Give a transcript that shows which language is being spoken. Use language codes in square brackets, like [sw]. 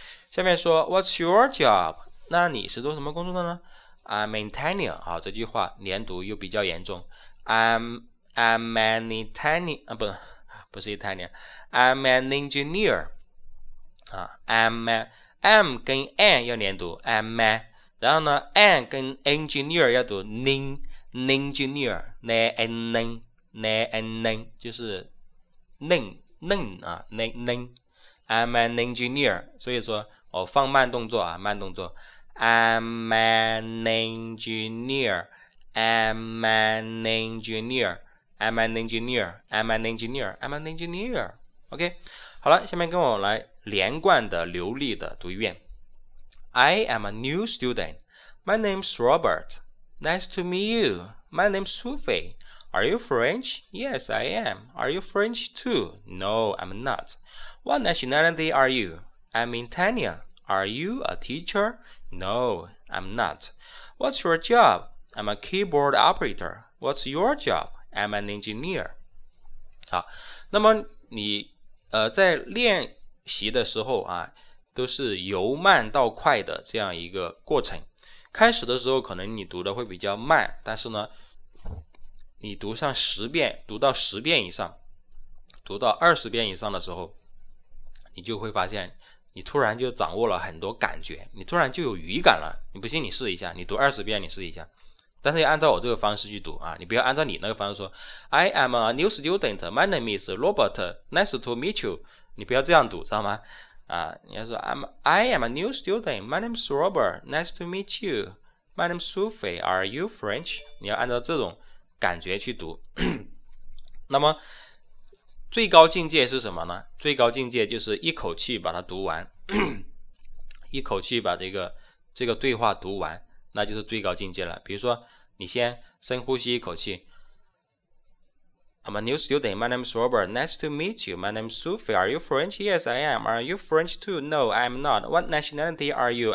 [zh] 下面说 [en] What's your job? [zh] 那你是做什么工作的呢？ [en] I'm an Italian。 [zh] 好，这句话连读又比较严重。 [en] I'm an Italian。 I'm an engineer。 [zh] I'm 跟 an 要连读 I'm an， 然后呢 an 跟 engineer 要读 ning engineer ning ning 就是 ning [en] I'm an engineer， [zh] 所以说我放慢动作啊，慢动作 I'm an engineer。 OK， 好了，下面跟我来连贯的流利的读一遍。 [en] I am a new student. My name's Robert. Nice to meet you. My name's Sophie. Are you French? Yes, I am. Are you French too? No, I'm not. What nationality are you? I'm Italian. Are you a teacher? No, I'm not. What's your job? I'm a keyboard operator. What's your job? I'm an engineer. [zh] 好，那么你在练习的时候啊，都是由慢到快的这样一个过程。开始的时候可能你读的会比较慢，但是呢你读上十遍，读到十遍以上，读到二十遍以上的时候，你就会发现你突然就掌握了很多感觉，你突然就有语感了。你不信你试一下，你读二十遍你试一下，但是要按照我这个方式去读啊，你不要按照你那个方式说 [en] I am a new student, my name is Robert, nice to meet you, [zh] 你不要这样读，知道吗？啊，你要说 [en] I am a new student, my name is Robert, nice to meet you, my name is Sophie, are you French? [zh] 你要按照这种感觉去读。那么最高境界是什么呢？最高境界就是一口气把它读完，一口气把这个对话读完，那就是最高境界了。比如说你先深呼吸一口气， [en] I'm a new student, my name is Robert, nice to meet you, my name is Sophie, are you French? Yes, I am. Are you French too? No, I'm not. What nationality are you?